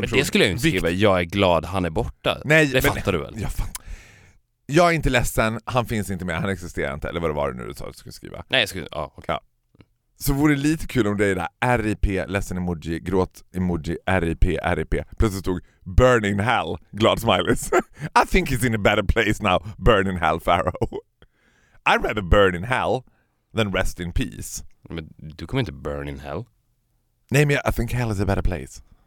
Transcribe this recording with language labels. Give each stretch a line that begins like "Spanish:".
Swedish: men person. Men det skulle jag inte skriva, jag är glad han är borta. Nej, det men, fattar du väl? Ja, fan. Jag är inte ledsen, han finns inte mer, han existerar inte, eller vad det var nu du sa att du skulle skriva. Nej, jag skulle, ja, okay. Ja. Så vore det lite kul om det är det där RIP, ledsen emoji, gråt emoji, RIP, RIP. Plötsligt stod
English: burning hell,
Swedish: glad smileys.
English: I think he's in a better place now, burning hell Pharaoh. I'd rather burn in hell than rest in peace.
Swedish: Men du kommer inte
English: burn in hell.
Swedish: Nej, men
English: I think hell is a better place.